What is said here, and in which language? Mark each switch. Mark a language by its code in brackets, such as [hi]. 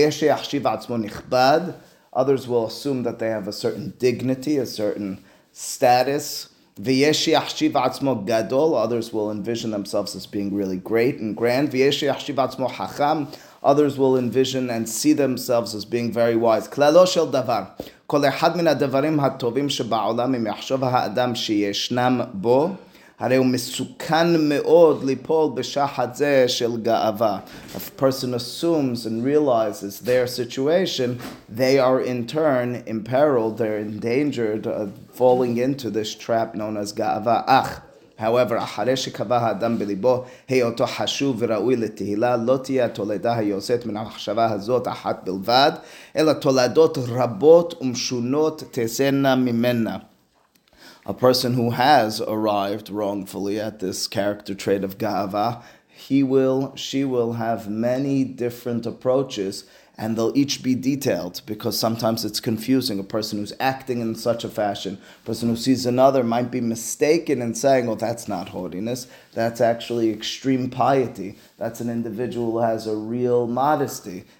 [he] Ve'yesh yachshiv atzmo nichbad. [en] Others will assume that they have a certain dignity, a certain status. [he] Ve'yesh yachshiv atzmo gadol. [en] Others will envision themselves as being really great and grand. [he] Ve'yesh yachshiv atzmo hacham. [en] Others will envision and see themselves as being very wise. [he] Klalo shel davar. כל אחד מן הדברים הטובים שבעולם אם יחשוב האדם שישנם בו, הרי הוא מסוכן מאוד ליפול בשחד זה של גאווה. [en] If a person assumes and realizes their situation, they are in turn imperiled, they're endangered falling into this trap known as גאווה. [he] אך, [en] however, [he] אחרי שקבע האדם בליבו, היותו חשוב וראוי לתהילה, לא תהיה התולדה היוצאת מן המחשבה הזאת אחת בלבד, אלא תולדות רבות ומשונות תזנה ממנה. [en] A person who has arrived wrongfully at this character trait of ga'ava, she will have many different approaches, and they'll each be detailed, because sometimes it's confusing. A person who's acting in such a fashion, a person who sees another, might be mistaken in saying, oh, that's not haughtiness, that's actually extreme piety, that's an individual who has a real modesty.